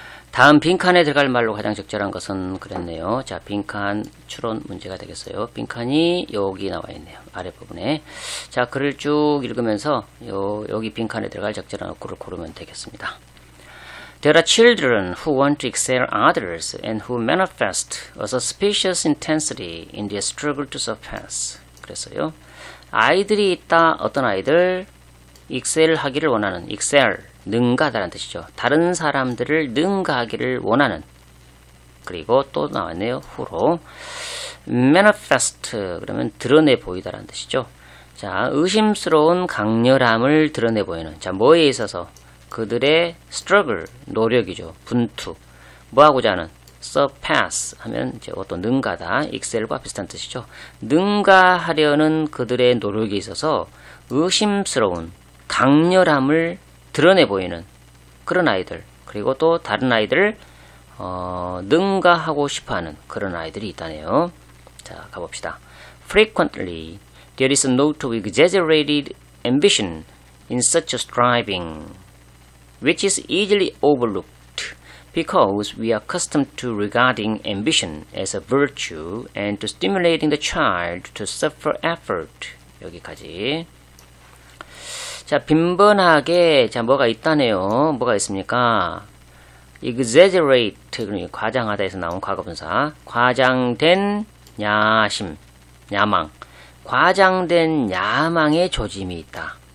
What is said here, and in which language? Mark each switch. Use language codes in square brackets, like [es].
[ko] 다음 빈칸에 들어갈 말로 가장 적절한 것은 그랬네요. 자, 빈칸 추론 문제가 되겠어요. 빈칸이 여기 나와 있네요. 아랫부분에. 자, 글을 쭉 읽으면서 여기 빈칸에 들어갈 적절한 어구를 고르면 되겠습니다. [en] There are children who want to excel others and who manifest a suspicious intensity in their struggle to surpass. [ko] 그랬어요. 아이들이 있다. 어떤 아이들? excel 하기를 원하는. excel. 능가하다는 뜻이죠. 다른 사람들을 능가하기를 원하는. 그리고 또 나왔네요. 후로. manifest. 그러면 드러내 보이다라는 뜻이죠. 자, 의심스러운 강렬함을 드러내 보이는. 자, 뭐에 있어서? 그들의 struggle. 노력이죠. 분투. 뭐 하고자 하는? surpass. 하면 이제 어떤 능가다. excel과 비슷한 뜻이죠. 능가하려는 그들의 노력이 있어서 의심스러운 강렬함을 드러내 보이는 그런 아이들, 그리고 또 다른 아이들 능가하고 싶어하는 그런 아이들이 있다네요. 자, 가봅시다. [en] Frequently, there is a note of exaggerated ambition in such a striving, which is easily overlooked because we are accustomed to regarding ambition as a virtue and to stimulating the child to suffer effort. [ko] 여기까지. 자, 빈번하게, 자, 뭐가 있다네요. 뭐가 있습니까? exaggerate, 과장하다 해서 나온 과거분사. 과장된 야심, 야망. 과장된 야망의 조짐이 있다.